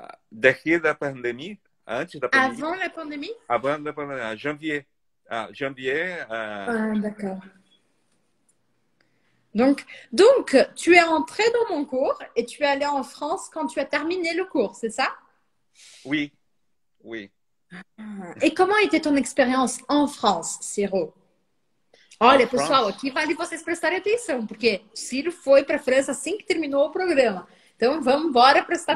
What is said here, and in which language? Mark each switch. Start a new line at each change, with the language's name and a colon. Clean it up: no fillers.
Portuguese: daqui da pandemia, antes da pandemia,
French: Avant la pandémie? avant la pandemia, janvier. Janvier. Ah, d'accord. Donc, tu es entré dans mon cours et tu es allé en France quand tu as terminé le cours, c'est ça? Oui. Et comment était ton expérience en France, Ciro? En
Portuguese: Olha, pessoal,
French: France.
Portuguese: aqui vale vocês prestarem atenção, porque Ciro foi para a França assim que terminou o programa. Então, vamos embora prestar